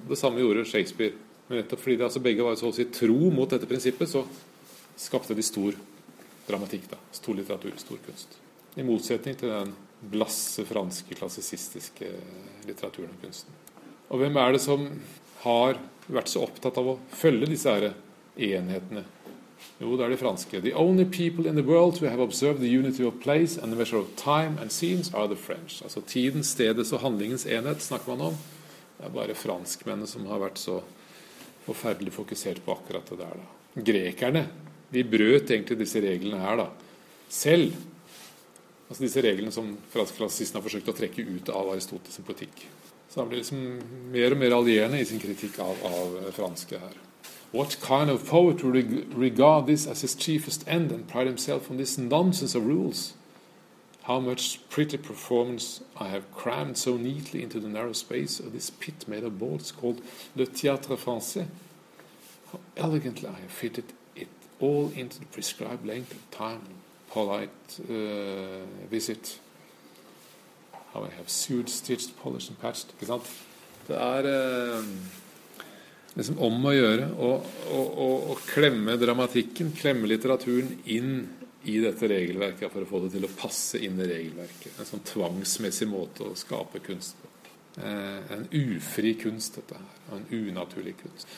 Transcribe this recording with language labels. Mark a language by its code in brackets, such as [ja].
[no] Det samme gjorde Shakespeare. Men nettopp fordi de, altså begge var så å si tro mot dette prinsippet, så skapte de stor dramatikk da, stor litteratur, stor kunst. I motsetning til den blasse franske klassisistiske litteraturen og kunsten. Og hvem det som har vært så opptatt av å følge disse her enhetene? Jo, det de franske. [en] The only people in the world who have observed the unity of place and the measure of time and scenes are the French. [no] Altså tiden, stedet og handlingens enhet snakker man om. Det bare franskmennene som har vært så forferdelig fokusert på akkurat det der. Da. Grekerne, de brøt egentlig disse reglene her da. Selv. Altså disse reglene som franske klassisten har forsøkt å trekke ut av Aristoteles sin politikk. Så han blir liksom mer og mer allierende I sin kritikk av franske her. [en] What kind of poet would regard this as his chiefest end and pride himself on this nonsense of rules? How much pretty performance I have crammed so neatly into the narrow space of this pit made of boards called Le Théâtre Français. How elegantly I have fitted it all into the prescribed length of time and polite visit. How I have sewed, stitched, polished and patched. [no] Ikke sant? Det liksom om å gjøre å klemme dramatikken, klemme litteraturen inn I dette regelverket for å få det til å passe inn I regelverket. En sånn tvangsmessig måte å skape kunst på. En ufri kunst dette her, en unaturlig kunst.